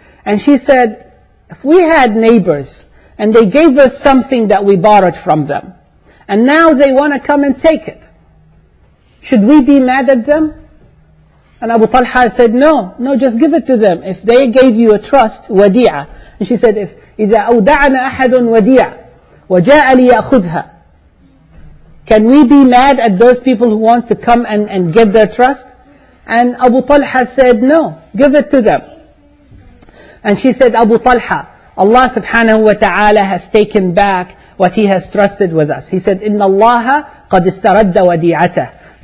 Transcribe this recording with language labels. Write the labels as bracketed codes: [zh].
[en] And she said, if we had neighbors and they gave us something that we borrowed from them, and now they want to come and take it, should we be mad at them? And Abu Talha said, no, just give it to them. If they gave you a trust, wadi'a. And she said, [ar] إِذَا أَوْدَعَنَا أَحَدٌ wadi'a وَجَاءَ لِيَأْخُذْهَا. [en] Can we be mad at those people who want to come and give their trust? And Abu Talha said, no, give it to them. And she said, Abu Talha, Allah subhanahu wa ta'ala has taken back what he has trusted with us. He said, [ar] إِنَّ اللَّهَ قَدْ اسْتَرَدَّ وَدِيعَتَهُ.